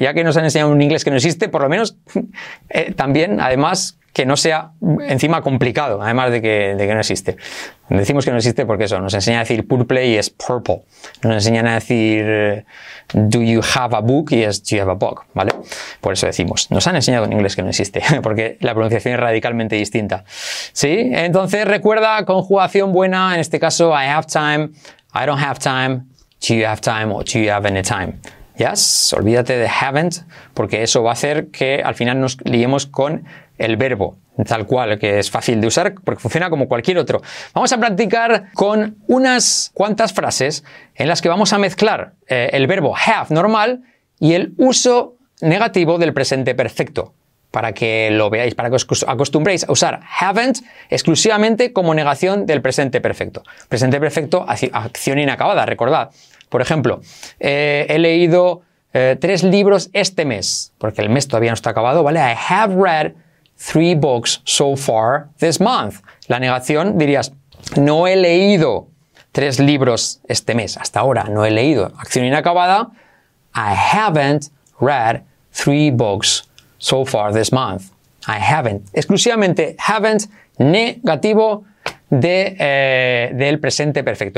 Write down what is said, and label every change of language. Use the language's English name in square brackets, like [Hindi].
[Spanish] Ya que nos han enseñado un inglés que no existe, por lo menos, también, además, que no sea encima complicado, además de que no existe. Decimos que no existe porque eso, nos enseña a decir purple y es purple. Nos enseñan a decir, [English] do you have a book [Spanish] y es do you have a book, ¿vale? Por eso decimos, nos han enseñado un inglés que no existe, porque la pronunciación es radicalmente distinta. ¿Sí? Entonces, recuerda, conjugación buena, en este caso, [English] I have time, I don't have time, do you have time, or do you have any time. [Spanish] Yes, olvídate de haven't, porque eso va a hacer que al final nos liemos con el verbo, tal cual, que es fácil de usar, porque funciona como cualquier otro. Vamos a practicar con unas cuantas frases en las que vamos a mezclar el verbo have normal y el uso negativo del presente perfecto, para que lo veáis, para que os acostumbréis a usar haven't exclusivamente como negación del presente perfecto. Presente perfecto, acción inacabada, recordad. Por ejemplo, he leído 3 libros este mes, porque el mes todavía no está acabado, ¿vale? [English] I have read 3 books so far this month. [Spanish] La negación, dirías, no he leído 3 libros este mes, hasta ahora no he leído. Acción inacabada, [English] I haven't read 3 books so far this month. I haven't. [Spanish] Exclusivamente haven't, negativo del presente perfecto.